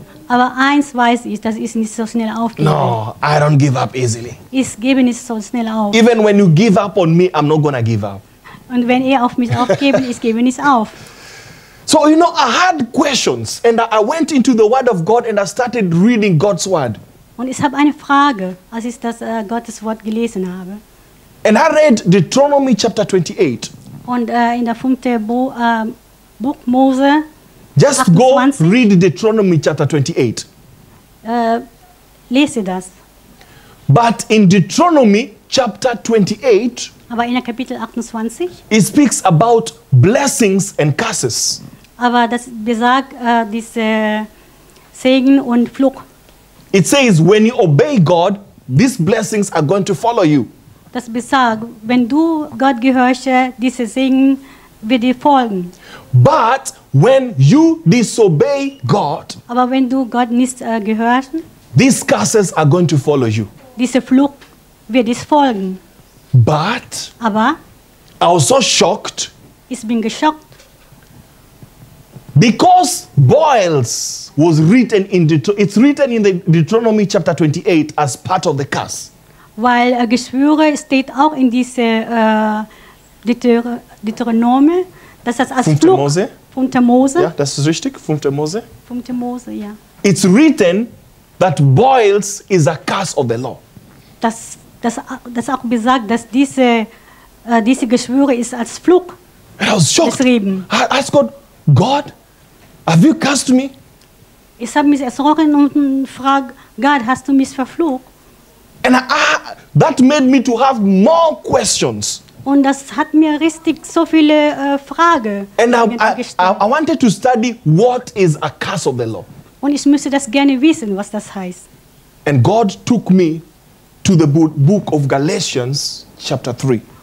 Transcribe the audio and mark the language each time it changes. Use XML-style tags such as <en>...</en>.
<de>Aber eins weiß ich, dass ich nicht so schnell aufgebe.</de> <en>No, I don't give up easily.</en> <de>Ich gebe nicht so schnell auf.</de> <en>Even when you give up on me, I'm not gonna give up.</en> <de>Und wenn ihr auf mich aufgebt, ich gebe nicht auf.</de> <en>So, you know, I had questions and I went into the Word of God and I started reading God's Word.</en> <de>Und ich habe eine Frage, als ich das Gottes Wort gelesen habe.</de> <en>And I read Deuteronomy chapter 28.</en> <de>Und in der fünfte Buch Mose.</de> <en>Just 28. Go read Deuteronomy chapter 28.</en> <de>Lese das.</de> <en>But in Deuteronomy chapter 28.</en> <de>Aber in Kapitel 28.</de> <en>It speaks about blessings and curses.</en> <de>Aber das besagt diese Segen und Fluch.</de> <en>It says when you obey God, these blessings are going to follow you.</en> <de>Das besagt, wenn du Gott gehörst, diese Segen wird dir folgen.</de> <en>But when you disobey God,</en> <de>aber wenn du Gott nicht gehörst,</de> <en>these curses are going to follow you.</en> <de>Diese Fluch wird dir folgen.</de> <en>But</en> <de>aber</de> <en>I was so shocked.</en> <de>Ich bin geschockt.</de> <en>Because boils was written in it's written in the Deuteronomy chapter 28 as part of the curse.</en> <de>Weil Geschwüre steht auch in diese Deuteronomy, dass das als Fluch. Fünfte Mose. Ja, das ist richtig. Fünfte Mose. Fünfte Mose, ja.</de> <en>It's written that boils is a curse of the law.</en> <de>Das auch besagt, dass diese Geschwüre ist als Fluch geschrieben.</de> <en>I asked God, God, have you cursed me?</en> <de>Ich habe mich erschrocken und frage, Gott, hast du mich verflucht?</de> <en>And that made me to have more questions.</en> <de>Und das hat mir richtig so viele Fragen gestellt.</de> <en>And I wanted to study what is a curse of the law.</en> <de>Und ich müsste das gerne wissen, was das heißt.</de> <en>And God took me to the book of Galatians chapter 3.</en>